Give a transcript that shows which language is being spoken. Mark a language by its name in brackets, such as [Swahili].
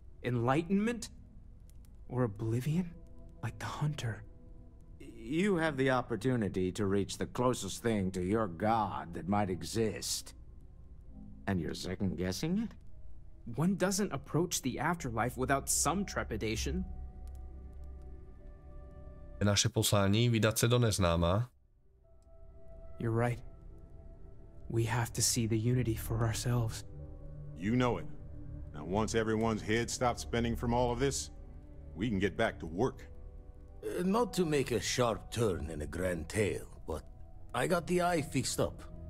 [English] Enlightenment? Or oblivion? Like the Hunter. You have the opportunity to reach the closest thing to your god that might exist. And you're second guessing it? One doesn't approach the afterlife without some trepidation. [Czech] Je naše poslání vydat se do neznáma. [English] You're right. We have to see the unity for ourselves. You know it. Now, once everyone's head stops spinning from all of this, we can get back to work. Not to make a sharp turn in a grand tale, but I got the eye fixed up.